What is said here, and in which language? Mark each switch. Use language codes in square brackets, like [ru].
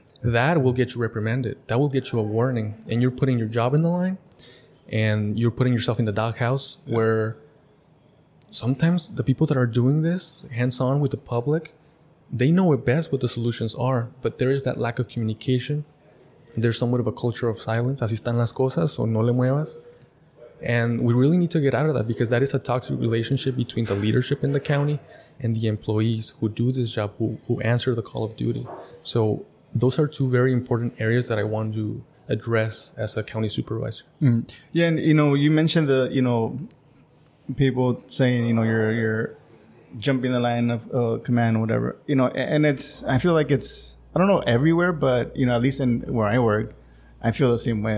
[en] That will get you reprimanded. That will get you a warning. And you're putting your job in the line and you're putting yourself in the doghouse where sometimes the people that are doing this hands-on with the public, they know it best what the solutions are, but there is that lack of communication. There's somewhat of a culture of silence. [es] Así están las cosas, o no le muevas. [en] And we really need to get out of that, because that is a toxic relationship between the leadership in the county and the employees who do this job, who answer the call of duty. So those are two very important areas that I want to address as a county supervisor. Mm. Yeah, and you know, you mentioned the, you know, people saying, you know, you're jumping the line of command or whatever, you know, and it's, I feel like it's, I don't know everywhere, but, you know, at least in where I work, I feel the same way.